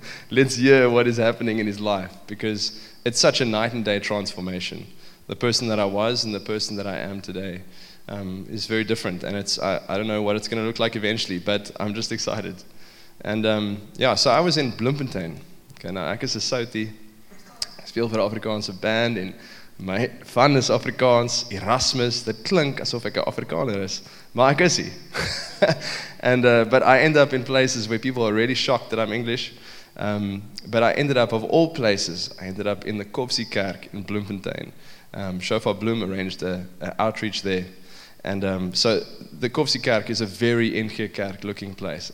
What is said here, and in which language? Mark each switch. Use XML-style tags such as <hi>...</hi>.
<en>Let's hear what is happening in his life, because it's such a night and day transformation. The person that I was and the person that I am today is very different, and I don't know what it's going to look like eventually, but I'm just excited. And so I was in Bloemfontein. Okay, now</en> <af>ek is 'n Soutie, speel vir 'n Afrikaanse band,</af> <en>and my fun is</en> <af>Afrikaans, Erasmus, dit klink asof ek 'n Afrikaner is, maar ek is nie.</af> <en>But I end up in places where people are really shocked that I'm English. But I ended up, of all places, I ended up in the Kopsie Kerk in Bloemfontein. Shofar Bloem arranged an outreach there. And so the Kopsie Kerk is a very Inkerkerk looking place.</en>